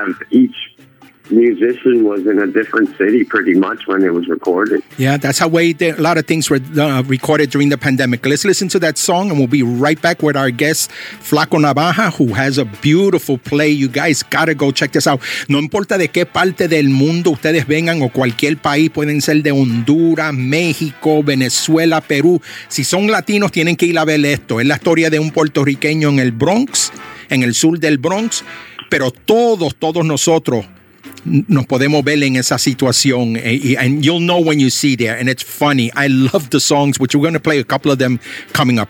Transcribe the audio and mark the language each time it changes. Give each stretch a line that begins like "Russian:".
English: Each musician was in a different city pretty much when it was recorded. Yeah, that's how a lot of things were recorded during the pandemic. Let's listen to that song, and we'll be right back with our guest, Flaco Navaja, who has a beautiful play. You guys gotta go check this out.
Spanish: No importa de qué parte del mundo ustedes vengan, o cualquier país, pueden ser de Honduras, México, Venezuela, Perú. Si son latinos, tienen que ir a ver esto. Es la historia de un puertorriqueño en el Bronx, en el sur del Bronx, pero todos nosotros nos podemos ver en esa situación,
English: and you'll know when you see there, and it's funny. I love the songs, which we're going to play a couple of them coming up.